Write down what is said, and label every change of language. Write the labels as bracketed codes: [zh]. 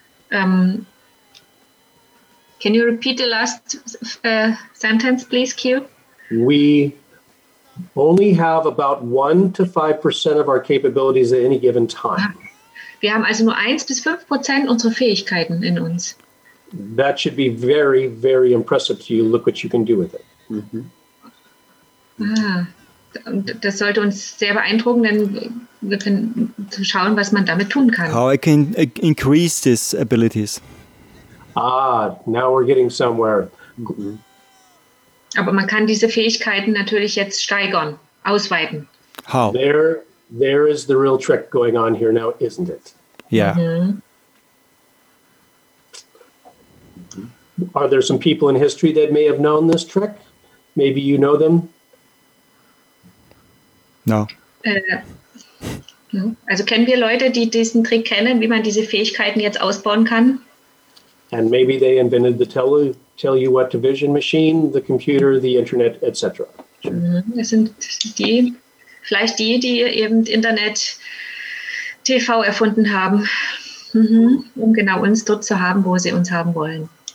[en] Can you repeat the last sentence, please, Q? We only have about 1-5% of our capabilities at any given time. [de] Wir haben also nur 1-5% unserer Fähigkeiten in uns. [en] That should be very, very impressive to you. Look what you can do with it. [de] Das sollte uns sehr beeindrucken, denn wir können schauen, was man damit tun kann. [en] How I can increase these abilities. Ah, now we're getting somewhere. [de] Aber man kann diese Fähigkeiten natürlich jetzt steigern, ausweiten. [en] How? There is the real trick going on here now, isn't it? Yeah. Are there some people in history that may have known this trick? Maybe you know them? No. [de] Also kennen wir Leute, die diesen Trick kennen, wie man diese Fähigkeiten jetzt ausbauen kann? [en] And maybe they invented the tell you what division machine, the computer, the internet, etc. Sure. [de] Das sind die, vielleicht die, die eben Internet, TV erfunden haben, um genau uns dort zu haben, wo sie uns haben wollen.